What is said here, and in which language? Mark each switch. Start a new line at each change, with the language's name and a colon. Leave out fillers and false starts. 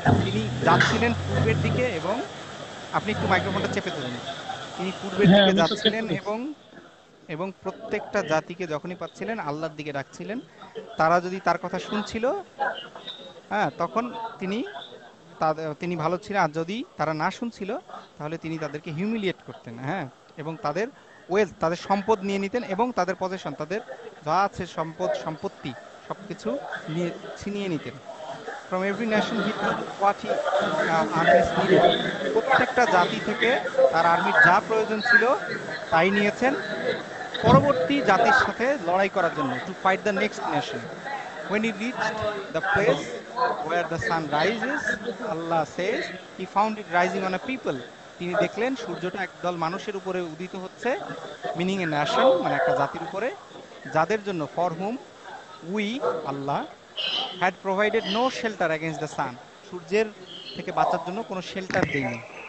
Bangla: তিনি যাচ্ছিলেন পূর্বের দিকে এবং, আপনি একটু মাইক্রোফোনটা চেপে ধরুন, তিনি পূর্বের দিকে যাচ্ছিলেন এবং এবং প্রত্যেকটা জাতিকে যখনই পাচ্ছিলেন আল্লাহর দিকে ডাকছিলেন, তারা যদি তার কথা শুনছিল হ্যাঁ তখন তিনি তিনি ভালো ছিলেন, আর যদি তারা না শুনছিল তাহলে তিনি তাদেরকে হিউমিলিয়েট করতেন, হ্যাঁ, এবং তাদের ওয়েলথ, তাদের সম্পদ নিয়ে নিতেন এবং তাদের পজিশন, তাদের যা আছে সম্পদ সম্পত্তি সব কিছু নিয়ে ছিনিয়ে নিতেন।
English: from every nation he what he armies needed,
Bangla: প্রত্যেকটা জাতি থেকে তার আর্মির যা প্রয়োজন ছিল তাই নিয়েছেন, পরবর্তী জাতির সাথে লড়াই করার জন্য,
English: To fight the next nation. When he reached the place where the sun rises, Allah says, he found it rising on a people.
Bangla: তিনি দেখলেন সূর্যটা একদল মানুষের উপরে উদিত হচ্ছে,
English: meaning a nation,
Bangla: মানে একটা জাতির উপরে, যাদের জন্য,
English: for whom we Allah had provided no shelter against the sun,
Bangla: সূর্যের থেকে বাঁচার জন্য কোনো শেল্টার দেয়নি.